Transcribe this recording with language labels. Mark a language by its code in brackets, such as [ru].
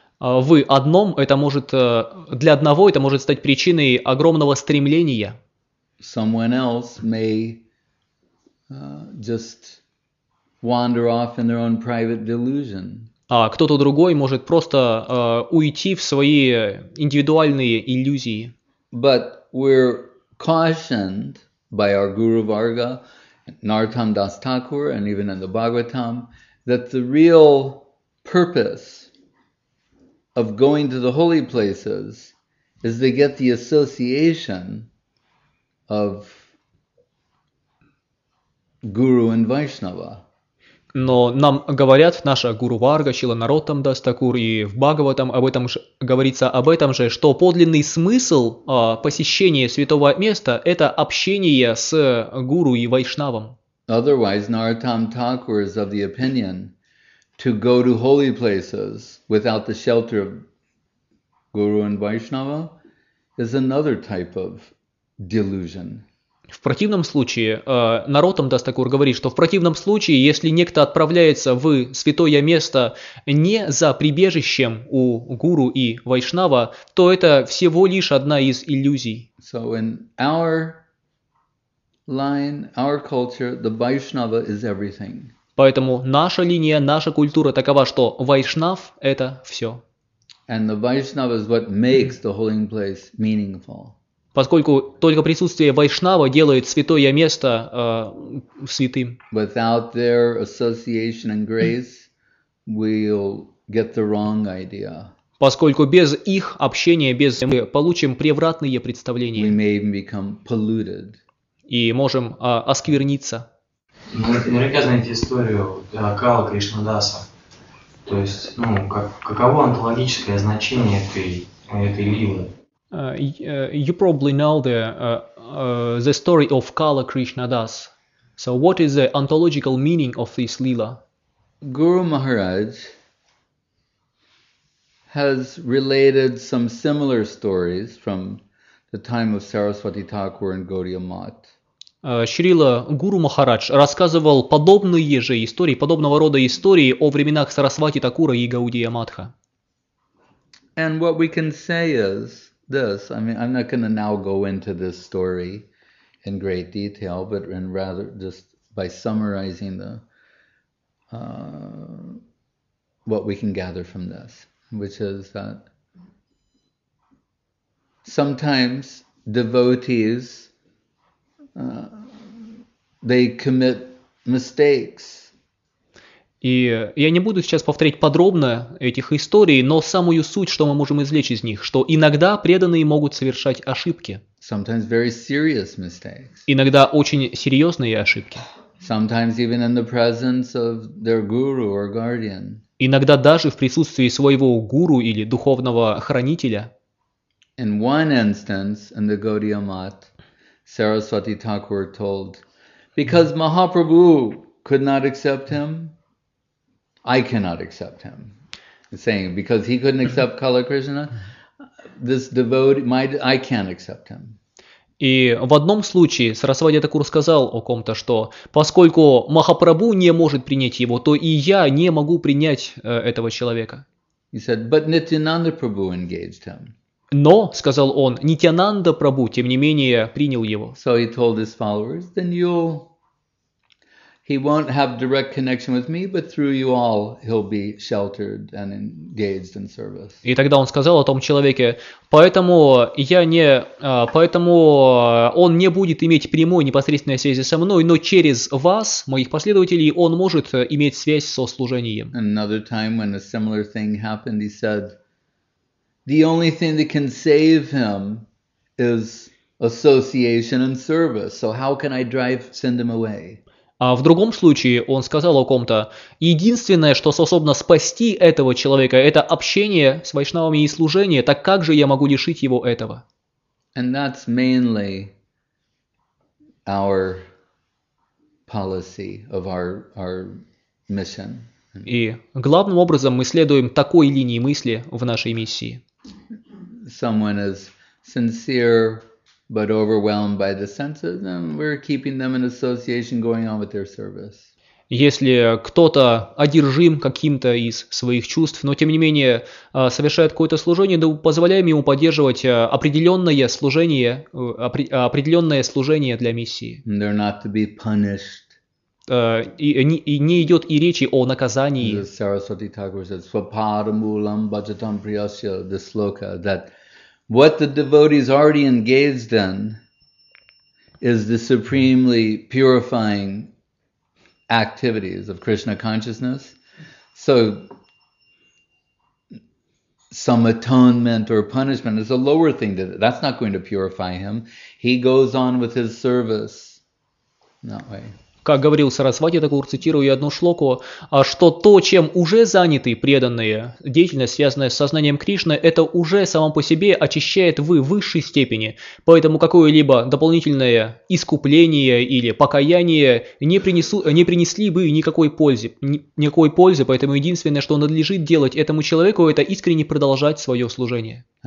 [ru] В одном это может, для одного это может стать причиной огромного стремления. [en] Someone else may just wander off in their own private delusion. [ru] А кто-то другой может просто уйти в свои индивидуальные иллюзии. [en] But we're cautioned by our Guru Varga, Narottam Das Thakur, and even in the Bhagavatam, that the real purpose of going to the holy places is to get the association of Guru and Vaishnava. [ru] Но нам говорят, наша Гуру Варга, Шрила Нароттам Дас Такур и в Бхагаватам об этом же, говорится об этом же, что подлинный смысл посещения святого места – это общение с Гуру и Вайшнавом. [en] Otherwise, Narottam Thakur is of the opinion to go to holy places without the shelter of Guru and Vaishnava is another type of delusion. [ru] В противном случае, Нароттам Дас Такур говорит, что в противном случае, если некто отправляется в святое место не за прибежищем у гуру и вайшнава, то это всего лишь одна из иллюзий. [en] So in our line, our culture, the Vaishnava is everything. [ru] Поэтому наша линия, наша культура такова, что вайшнав – это все. [en] And the Vaishnava is what makes the holy place meaningful. [ru] Поскольку только присутствие Вайшнава делает святое место святым. [en] Without their association and grace, we'll get the wrong idea. [ru] Поскольку без их общения, без мы получим превратные представления. [en] We may even become polluted. [ru] И можем оскверниться. Наверняка знаете историю Дхинакала Кришнадаса. То есть, каково онтологическое значение этой лилы? [en] You probably know the story of Kala Krishna Das. So what is the ontological meaning of this Leela? Guru Maharaj has related some similar stories from the time of Saraswati Thakur and Gaudiya Math. [ru] Шрила Гуру Махарадж рассказывал подобные же истории, подобного рода истории о временах Сарасвати Такура и Гаудия Матха. [en] And what we can say is this. I mean, I'm not going to now go into this story in great detail, but in rather just by summarizing the what we can gather from this, which is that sometimes devotees they commit mistakes. [ru] И я не буду сейчас повторять подробно этих историй, но самую суть, что мы можем извлечь из них, что иногда преданные могут совершать ошибки. [en] Sometimes very serious mistakes. [ru] Иногда очень серьезные ошибки. [en] Sometimes even in the presence of their guru or guardian. [ru] Иногда даже в присутствии своего гуру или духовного хранителя. [en] In one instance, in the Gaudiya Math, Saraswati Thakur told, because Mahaprabhu could not accept him, I cannot accept him. He's saying, because he couldn't accept Kala Krishna, this devotee, I can't accept him. [ru] И в одном случае Сарасвати Такур сказал о ком-то, что поскольку Махапрабху не может принять его, то и я не могу принять этого человека. [en] He said, but Nityananda Prabhu engaged him. [ru] Но, сказал он, Нитянанда Прабху, тем не менее, принял его. [en] So he told his followers, then he won't have direct connection with me, but through you all he'll be sheltered and engaged in service. [ru] И тогда он сказал о том человеке, поэтому он не будет иметь прямой непосредственной связи со мной, но через вас, моих последователей, он может иметь связь со служением. [en] Another time when a similar thing happened, he said, the only thing that can save him is association and service. So how can I send him away? [ru] А в другом случае он сказал о ком-то, единственное, что способно спасти этого человека, это общение с вайшнавами и служение, так как же я могу лишить его этого? [en] And that's mainly our policy of our mission. [ru] И главным образом мы следуем такой линии мысли в нашей миссии. [en] Someone is sincere, but overwhelmed by the senses, and we're keeping them in association going on with their service. [ru] Если кто-то одержим каким-то из своих чувств, но тем не менее совершает какое-то служение, то позволяем ему поддерживать определенное служение для миссии. [en] And they're not to be punished. [ru] И не идет и речи о наказании. [en] The Saraswati Thakur says, [sa] "Svapadamulam bhajatam priyasya," [en] this sloka, that what the devotee is already engaged in is the supremely purifying activities of Krishna consciousness. So some atonement or punishment is a lower thing. That's not going to purify him. He goes on with his service that way. [ru] Как говорил Сарасвати Такур, цитирую одну шлоку, что то, чем уже заняты преданные, деятельность, связанная с сознанием Кришны, это уже само по себе очищает в высшей степени. Поэтому какое-либо дополнительное искупление или покаяние не принесли бы никакой пользы, поэтому единственное, что надлежит делать этому человеку, это искренне продолжать свое служение.